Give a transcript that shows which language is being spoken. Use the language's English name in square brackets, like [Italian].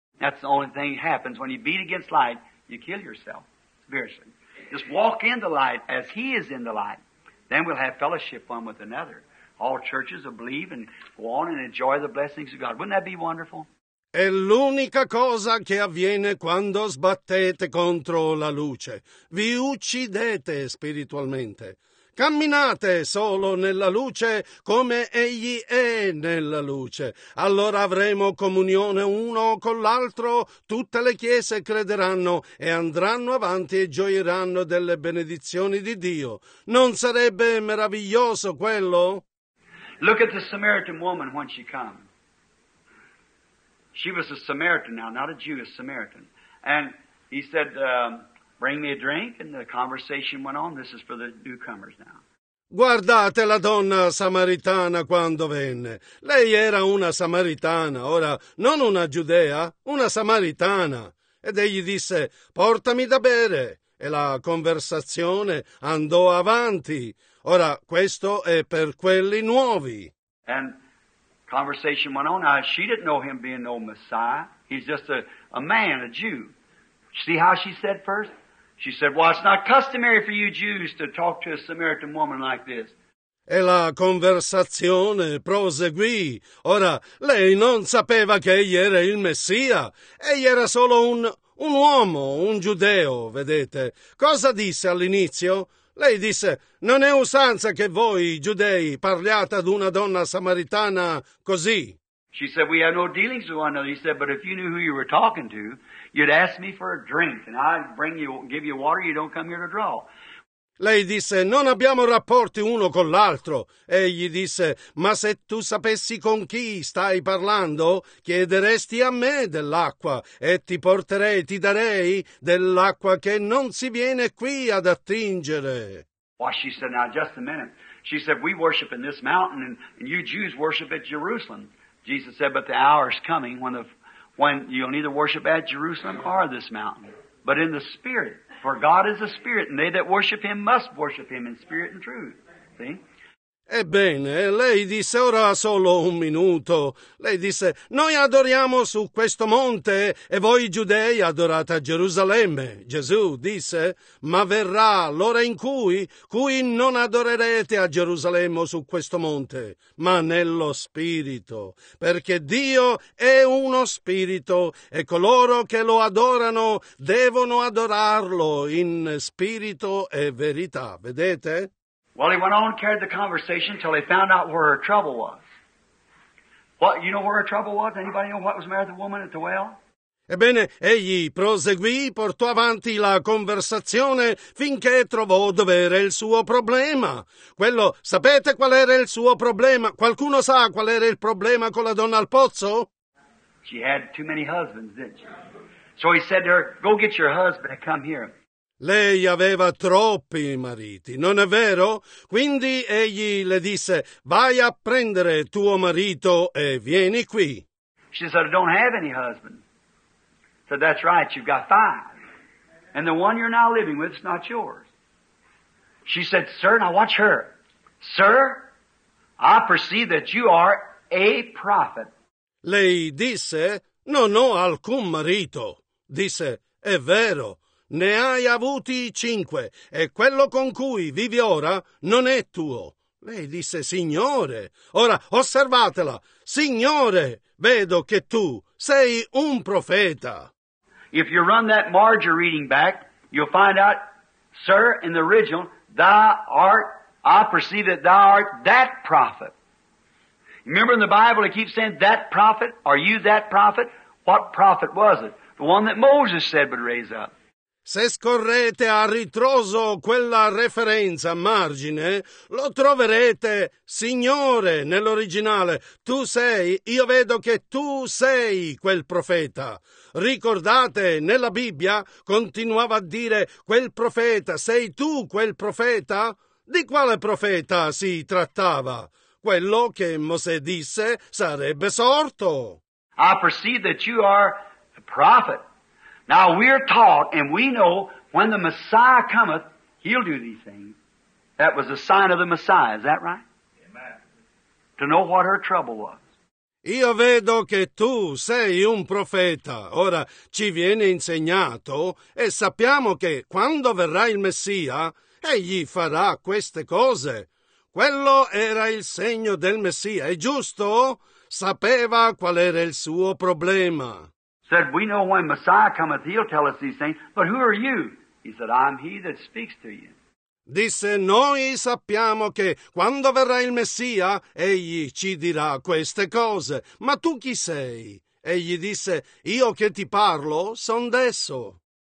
[English] That's the only thing that happens. When you beat against light, you kill yourself, spiritually. Just walk in the light as he is in the light. Then we'll have fellowship one with another. All churches will believe and go on and enjoy the blessings of God. Wouldn't that be wonderful? [Italian] È l'unica cosa che avviene quando sbattete contro la luce. Vi uccidete spiritualmente. Camminate solo nella luce come egli è nella luce. Allora avremo comunione uno con l'altro, tutte le chiese crederanno e andranno avanti e gioiranno delle benedizioni di Dio. Non sarebbe meraviglioso quello? [English] Look at the Samaritan woman when she came. She was a Samaritan now, not a Jew, a Samaritan. And he said, bring me a drink, and the conversation went on. This is for the newcomers now. [Italian] Guardate la donna samaritana quando venne. Lei era una samaritana, ora non una giudea, una samaritana. Ed egli disse, portami da bere. E la conversazione andò avanti. Ora, questo è per quelli nuovi. [English] And conversation went on. Now, she didn't know him being no Messiah. He's just a man, a Jew. See how she said first? She said, well, it's not customary for you Jews to talk to a Samaritan woman like this. [Italian] E la conversazione proseguì. Ora, lei non sapeva che egli era il Messia. Egli era solo un uomo, un giudeo, vedete. Cosa disse all'inizio? Lei disse, non è usanza che voi, giudei, parliate ad una donna samaritana così. [English] She said, we have no dealings with one another. He said, but if you knew who you were talking to, you'd ask me for a drink, and I'd bring you, give you water, you don't come here to draw. [Italian] Lei disse, non abbiamo rapporti uno con l'altro. Egli disse, ma se tu sapessi con chi stai parlando, chiederesti a me dell'acqua e ti porterei, ti darei dell'acqua che non si viene qui ad attingere. [English] Well, she said, now just a minute. She said, we worship in this mountain and you Jews worship at Jerusalem. Jesus said, but the hour is coming when you'll neither worship at Jerusalem or this mountain, but in the Spirit. For God is a spirit, and they that worship him must worship him in spirit and truth. See? [Italian] Ebbene, lei disse, ora solo un minuto. Lei disse, noi adoriamo su questo monte, e voi giudei adorate a Gerusalemme. Gesù disse, ma verrà l'ora in cui non adorerete a Gerusalemme o su questo monte, ma nello spirito. Perché Dio è uno spirito, e coloro che lo adorano devono adorarlo in spirito e verità. Vedete? [English] Well, he went on and carried the conversation until he found out where her trouble was. What, you know where her trouble was? Anybody know what was the matter with the woman at the well? [Italian] Ebbene, egli proseguì, portò avanti la conversazione finché trovò dove era il suo problema. Quello, sapete qual era il suo problema? Qualcuno sa qual era il problema con la donna al pozzo? [English] She had too many husbands, didn't she? So he said to her, go get your husband and come here. [Italian] Lei aveva troppi mariti, non è vero? Quindi egli le disse, vai a prendere tuo marito e vieni qui. [English] She said, I don't have any husband. I said, that's right, you've got five. And the one you're now living with is not yours. She said, sir, now watch her. Sir, I perceive that you are a prophet. [Italian] Lei disse, non ho alcun marito. Disse, è vero. Ne hai avuti cinque, e quello con cui vivi ora non è tuo. Lei disse, Signore, ora osservatela, Signore, vedo che tu sei un profeta. [English] If you run that Marjorie reading back, you'll find out, sir, in the original, I perceive that thou art that prophet. Remember in the Bible it keeps saying, that prophet, are you that prophet? What prophet was it? The one that Moses said would raise up. [Italian] Se scorrete a ritroso quella referenza a margine, lo troverete, Signore, nell'originale. Tu sei, io vedo che tu sei quel profeta. Ricordate, nella Bibbia continuava a dire, quel profeta, sei tu quel profeta? Di quale profeta si trattava? Quello che Mosè disse sarebbe sorto. [English] I perceive that you are a prophet. Now we're taught and we know when the Messiah cometh, he'll do these things. That was a sign of the Messiah, is that right? Amen. To know what her trouble was. [Italian] Io vedo che tu sei un profeta. Ora ci viene insegnato e sappiamo che quando verrà il Messia, egli farà queste cose. Quello era il segno del Messia, è giusto? Sapeva qual era il suo problema. [English] Said, we know when Messiah cometh, he'll tell us these things, but who are you? He said, I'm he that speaks to you. [Italian] Disse, noi sappiamo che quando verrà il Messia, egli ci dirà queste cose, ma tu chi sei? Egli disse, io che ti parlo, son desso.